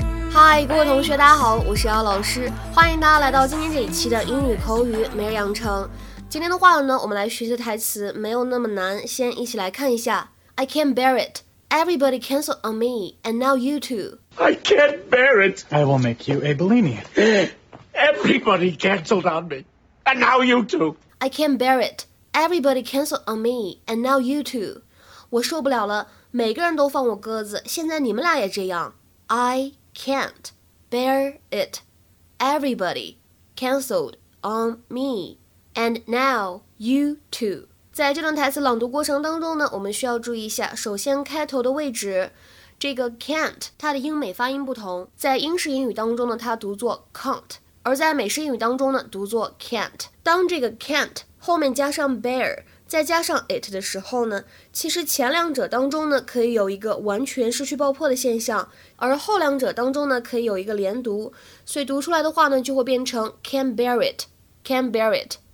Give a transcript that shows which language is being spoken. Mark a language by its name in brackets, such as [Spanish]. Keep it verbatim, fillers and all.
[Chinese] 嗨，各位同学，大家好，我是姚老师，欢迎大家来到今天这一期的英语口语每日养成。今天的话呢，我们来学习台词没有那么难，先一起来看一下。 [English] I can't bear it. Everybody cancel on me, and now you too. I can't bear it. I will make you a bulimia. Everybody canceled on me, and now you too. I can't bear it. Everybody cancel on me, and now you too. [Chinese] 我受不了了，每个人都放我鸽子，现在你们俩也这样。 [English] I can't bear it. Everybody canceled on me, and now you too. [Chinese] 在这段台词朗读过程当中呢，我们需要注意一下，首先开头的位置，这个 can't 它的英美发音不同，在英式英语当中呢，它读作 can't， 而在美式英语当中呢，读作 can't。当这个 can't 后面加上 bear 再加上 it 的时候呢，其实前两者当中呢，可以有一个完全失去爆破的现象，而后两者当中呢，可以有一个连读，所以读出来的话呢，就会变成 [English] can't bear it can't bear it。